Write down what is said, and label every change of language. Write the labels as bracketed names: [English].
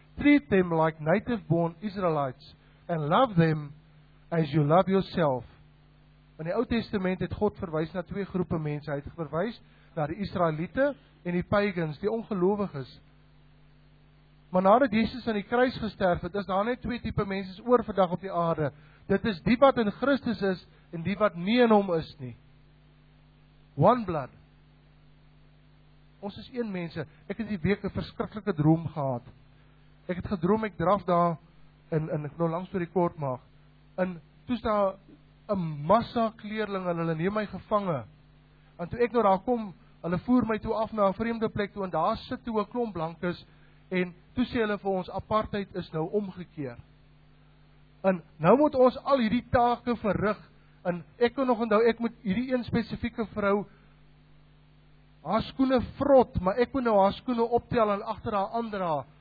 [English] Treat them like native-born Israelites and love them as you love yourself. [Afrikaans] In die Ou Testament het God verwys na twee groepe mense. Hy het verwys na die Israeliete en die pagans, die ongelowiges. Maar nadat Jesus aan die kruis gesterf het, is daar net twee tipe mense oor vandag op die aarde. Dit is die wat in Christus is en die wat nie in hom is nie. [English] One blood. [Afrikaans] Ons is een mense. Ek het die week 'n verskriklike droom gehad. Ek het gedroom ek draf daar in ek nou langs vir die kort maag. En toe is daar 'n massa kleerlinge en hulle neem my gevange. En toe ek nou daar kom, hulle voer my toe af na 'n vreemde plek toe en daar sit toe 'n klomp blankes en toe sê hulle vir ons apartheid is nou omgekeer. En nou moet ons al hierdie take verrig. En ek kan nog onthou ek moet hierdie een spesifieke vrou haar skoene vrot, maar ek moet nou haar skoene optel en agter haar aandra.